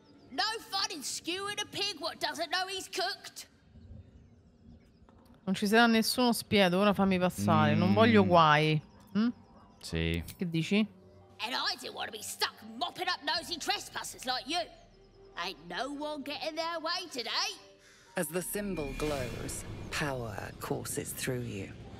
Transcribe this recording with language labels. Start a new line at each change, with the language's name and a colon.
English: No fun in skewing a pig what doesn't know he's cooked.
Italian: Non ci sarà nessuno spiedo, ora fammi passare, non voglio guai. Sì. Che dici?
English: And I didn't want to be stuck mopping up nosy trespassers like you. Ain't no one getting their way today. As the symbol glows, power courses through you.